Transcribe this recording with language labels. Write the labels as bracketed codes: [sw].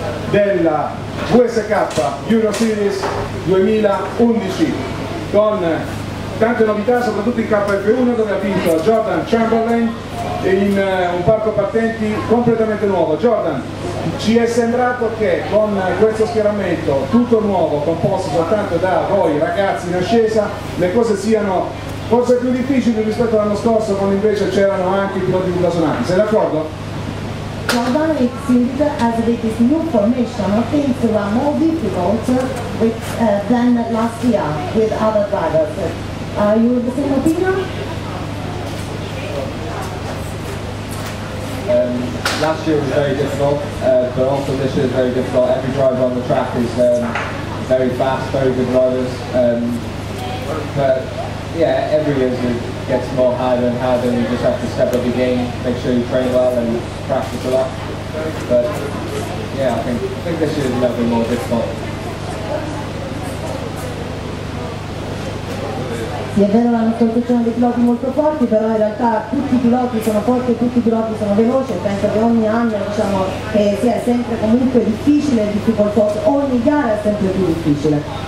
[it] della USK Euro Series 2011 con tante novità, soprattutto in KF1, dove ha vinto Jordan Chamberlain in un parco partenti completamente nuovo. Jordan, ci è sembrato che con questo schieramento tutto nuovo, composto soltanto da voi ragazzi in ascesa, le cose siano forse più difficili rispetto all'anno scorso, quando invece c'erano anche i piloti internazionali. Sei d'accordo? [en] Jordan, it seems as if this new formation of things were more difficult with, than last year with other drivers. Are you the same opinion? Last year was very difficult, but also this year is very difficult. Every driver on the track is very fast, very good drivers. But every year it gets more harder and harder, and you just have to step up your game, make sure you train well and practice a lot. But I think this year is going to be more difficult. [it] Sì, è vero, l'anno scorso c'erano dei piloti molto forti, però in realtà tutti i piloti sono forti e tutti i piloti sono veloci, e penso che ogni anno sia sempre comunque difficile e difficoltoso, ogni gara è sempre più difficile.